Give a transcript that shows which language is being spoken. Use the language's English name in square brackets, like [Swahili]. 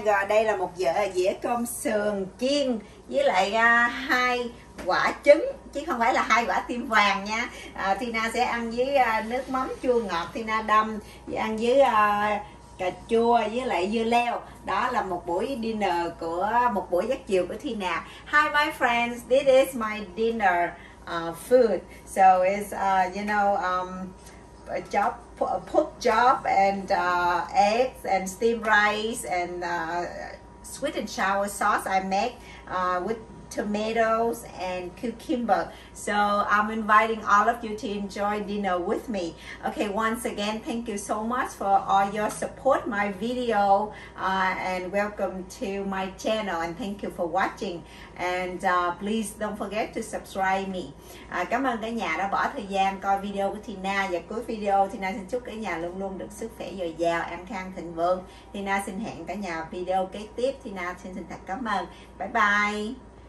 [Vietnamese] Rồi đây là một dĩa cơm sườn chiên với lại hai quả trứng, chứ không phải là hai quả tim vàng nha. Tina sẽ ăn với nước mắm chua ngọt Tina đâm, ăn với cà chua với lại dưa leo. Đó là một buổi dinner của một buổi giấc chiều của Tina. [English] Hi my friends, this is my dinner food. So it's pork chop and eggs and steamed rice and sweet and sour sauce I make with tomatoes and cucumber. So I'm inviting all of you to enjoy dinner with me. Okay, once again, thank you so much for all your support, my video, and welcome to my channel, and thank you for watching. And please don't forget to subscribe me. [Vietnamese] Cảm ơn cả nhà đã bỏ thời gian coi video của Tina. Và cuối video, Tina xin chúc cả nhà luôn luôn được sức khỏe dồi dào, an khang thịnh vượng. Tina xin hẹn cả nhà video kế tiếp. Tina xin thật cảm ơn. Bye bye.